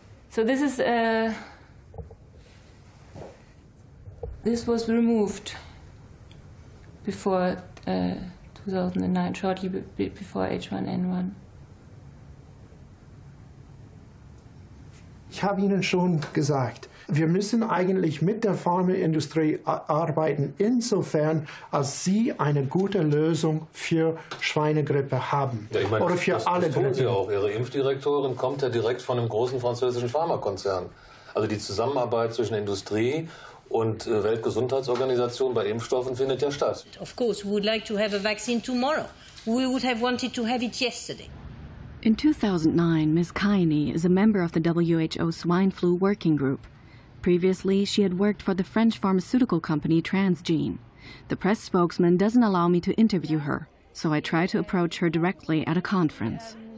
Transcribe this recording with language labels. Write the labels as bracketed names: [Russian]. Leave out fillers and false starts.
[English] So this is this was removed before 2009, shortly before H1N1. [German] Ich habe Ihnen schon gesagt, wir müssen eigentlich mit der Pharmaindustrie arbeiten, insofern als Sie eine gute Lösung für Schweinegrippe haben. Ja, ich meine, oder für alle Grippe. Das tun Sie auch. Ihre Impfdirektorin kommt ja direkt von einem großen französischen Pharmakonzern. Also die Zusammenarbeit zwischen Industrie und Weltgesundheitsorganisation bei Impfstoffen findet ja statt. [English] Of course, we would like to have a vaccine tomorrow. We would have wanted to have it yesterday. In 2009, Ms. Kaini is a member of the WHO Swine Flu Working Group. Previously, she had worked for the French pharmaceutical company Transgene. The press spokesman doesn't allow me to interview her, so I try to approach her directly at a conference.